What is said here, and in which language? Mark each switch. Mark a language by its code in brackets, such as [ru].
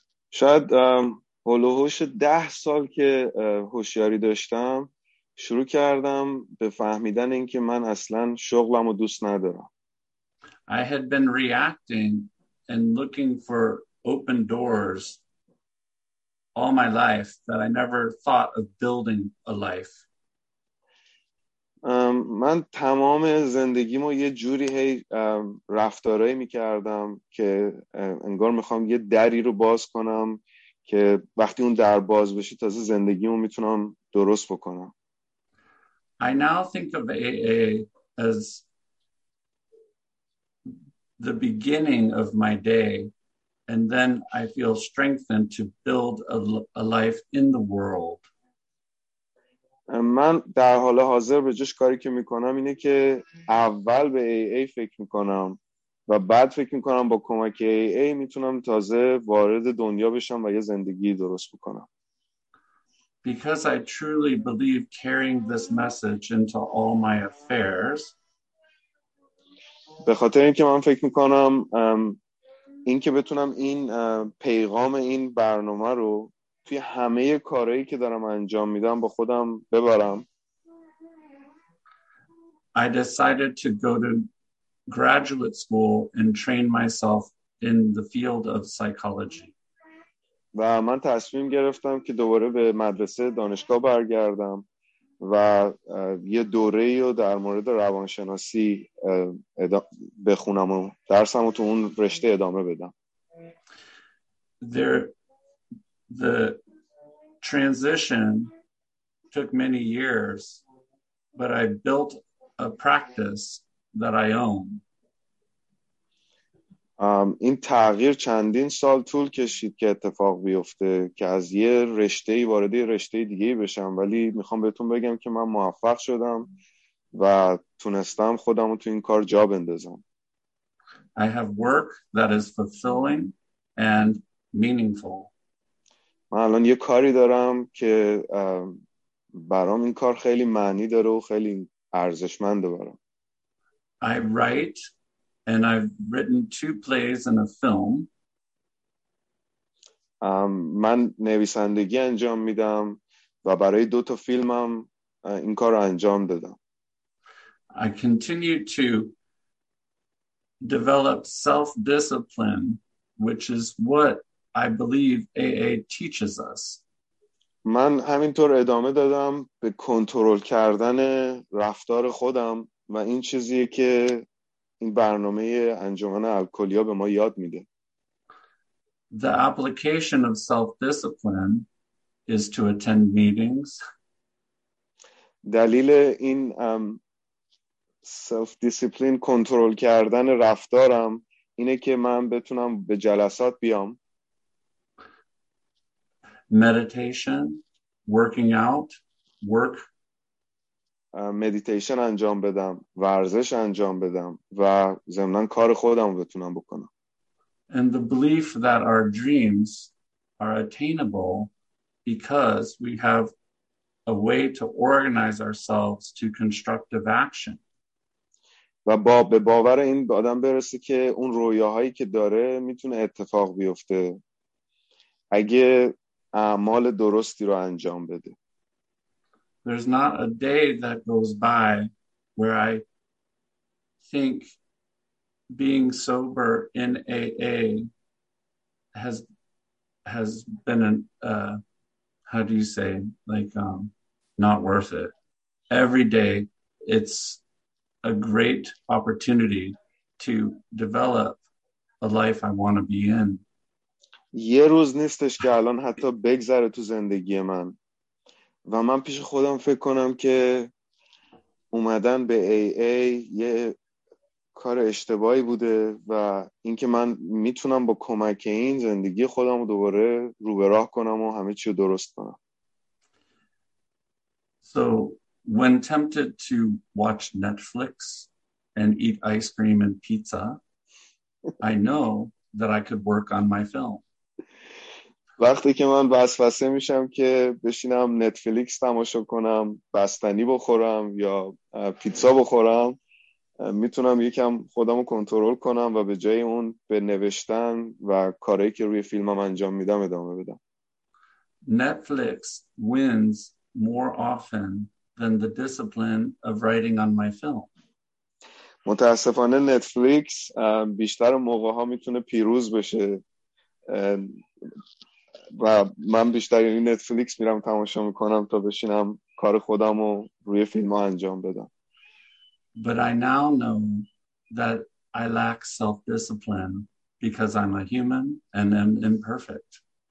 [fa] شاید هلوهوش 10 سال که هوشیاری داشتم شروع کردم به فهمیدن اینکه من اصلا شغلم رو دوست ندارم. [en] I had been reacting and looking for open doors all my life that I never thought of building a life. [fa] من تمام زندگیمو یه جوری هی رفتارهایی میکردم که انگار میخوام یه دری رو باز کنم که وقتی اون در باز بشه تازه زندگیمو میتونم درست بکنم. [en] I now think of AA as the beginning of my day and then I feel strengthened to build a life in the world. [fa] من در حال حاضر به جوش کاری که میکنم اینه که اول به AA فکر میکنم و بعد فکر میکنم با کمک AA میتونم تازه وارد دنیا بشم و یه زندگی درست بکنم. [en] Because I truly believe carrying this message into all my affairs. [fa] به خاطر اینکه من فکر میکنم این که بتونم این پیغام این برنامه رو توی همه کارهایی که دارم انجام میدم با خودم ببرم. [en] I decided to go to graduate school and train myself in the field of psychology. [fa] و من تصمیم گرفتم که دوباره به مدرسه دانشگاه برگردم و یه دوره‌ای رو در مورد روانشناسی بخونم و درسمو تو اون رشته ادامه بدم. [en] The transition took many years, but I built a practice that I own. [fa] این تغییر چندین سال طول کشید که اتفاق بیفته که از یه رشته‌ای وارد یه رشته دیگه بشم، ولی میخوام بهتون بگم که من موفق شدم و تونستم خودم رو تو این کار جا بندازم. [en] I have work that is fulfilling and meaningful. [fa] من الان یه کاری دارم که برام این کار خیلی معنی داره و خیلی ارزشمنده برام. [en] I write and I've written two plays and a film. [fa] من نویسندگی انجام میدم و برای دو تا فیلمم این کار رو انجام دادم. [en] I continue to develop self-discipline, which is what I believe AA teaches us. [fa] من همینطور ادامه دادم به کنترل کردن رفتار خودم و این چیزیه که این برنامه انجمن الکلی‌ها به ما یاد میده. [en] The application of self-discipline is to attend meetings. [fa] دلیل این self-discipline کنترل کردن رفتارم اینه که من بتونم به جلسات بیام. [en] Meditation, working out, work. [fa] Meditation انجام بدم، ورزش انجام بدم و ضمناً کار خودم بتونم بکنم. [en] And the belief that our dreams are attainable because we have a way to organize ourselves to constructive action. [fa] و با به باور این آدم برسه که اون رویاهایی که داره میتونه اتفاق بیفته اگه اعمال درستی رو انجام بده. [en] There's not a day that goes by where I think being sober in AA has been an how do you say, like not worth it. Every day it's a great opportunity to develop a life I want to be in. [fa] یه روز نیستش که الان حتی بگذره تو زندگی من و من پیش خودم فکر کنم که اومدن به AA یه کار اشتباهی بوده و اینکه من میتونم با کمک این زندگی خودم رو دوباره رو به راه کنم و همه چی رو درست کنم. [en] So when tempted to watch Netflix and eat ice cream and pizza, I know that I could work on my film. [fa] وقتی که من وسوسه میشم که بشینم نتفلیکس تماشا کنم، بستنی بخورم یا پیتزا بخورم، میتونم یکم خودم رو کنترل کنم و به جای اون به نوشتن و کارهایی که روی فیلمم انجام میدم ادامه بدم. [en] Netflix wins more often than the discipline of writing on my film. [fa] متاسفانه نتفلیکس بیشتر موقع‌ها میتونه پیروز بشه و من بیشتر این نتفلیکس میرم تماشا میکنم تا بشینم کار خودم رو روی فیلم ها انجام بدم. [en] But I now know that I lack self-discipline because I'm a human and am imperfect.